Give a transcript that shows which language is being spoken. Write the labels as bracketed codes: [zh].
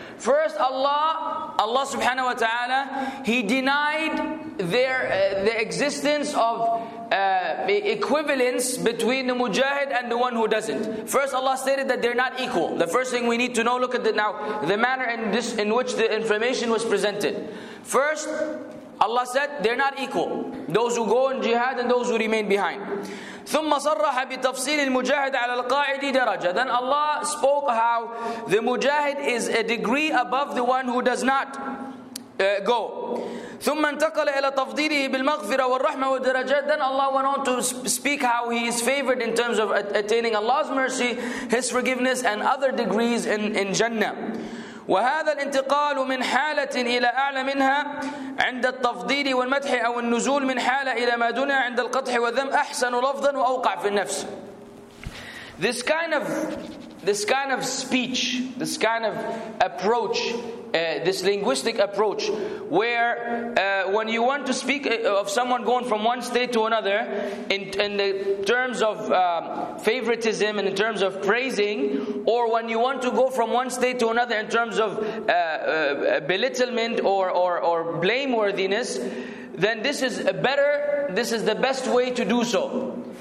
[en] First, Allah subhanahu wa ta'ala, He denied the existence of equivalence between the mujahid and the one who doesn't. First, Allah stated that they're not equal. The first thing we need to know, look at the manner in which the information was presented. First, Allah said they're not equal. Those who go in jihad and those who remain behind. [ar] ثم صرح بتفصيل المجاهد على القاعد درجة. [en] Then Allah spoke how the mujahid is a degree above the one who does not go. [ar] ثم انتقل إلى تفضيله بالمغفرة والرحمة والدرجات. [en] Then Allah went on to speak how He is favored in terms of attaining Allah's mercy, His forgiveness, and other degrees in Jannah. [ar] وهذا الانتقال من حالة إلى أعلى منها عند التفضيل والمدح أو النزول من حالة إلى ما دونها عند القدح والذم أحسن لفظا وأوقع في النفس. [en] This kind of speech, this kind of approach, this linguistic approach, where when you want to speak of someone going from one state to another in the terms of favoritism and in terms of praising, or when you want to go from one state to another in terms of belittlement or blameworthiness, then this is better, this is the best way to do so.